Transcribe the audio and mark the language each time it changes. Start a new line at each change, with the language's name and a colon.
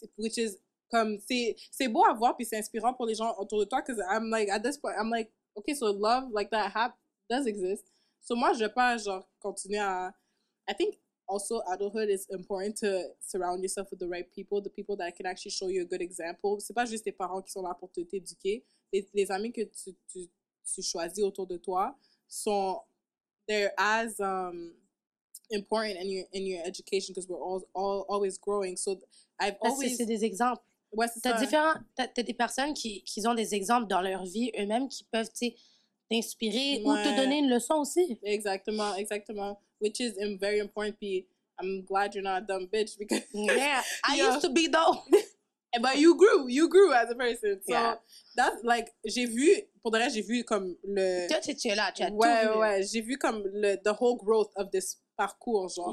French: C'est beau à voir, puis c'est inspirant pour les gens autour de toi,
English: because I'm, like, at this point, I'm, like, okay, so love, like, that happened. Does exist.
French: So moi, je vais pas, genre, continuer à...
English: I think also adulthood is important to surround yourself with the right people, the people that can actually show you a good example.
French: C'est pas juste tes parents qui sont là pour te t'éduquer. Les amis que tu choisis autour de toi sont...
English: They're as important in your education because we're all always growing. So I've always...
French: C'est des exemples. Ouais, c'est t'as ça. Différents... T'as des personnes qui ont des exemples dans leur vie eux-mêmes qui peuvent, t'sais... t'inspirer, ouais. Ou te donner une leçon aussi. Exactement, exactement.
English: Which is very important, puis I'm glad you're not a dumb bitch, because... Yeah, I used to be, though. But you grew as a person, so... Yeah. That's, like,
French: j'ai vu, pour de vrai, j'ai vu comme le... Toi, tu es là, tu as ouais, tout vu. Ouais, ouais, j'ai vu comme le
English: the whole growth of this
French: parcours, genre.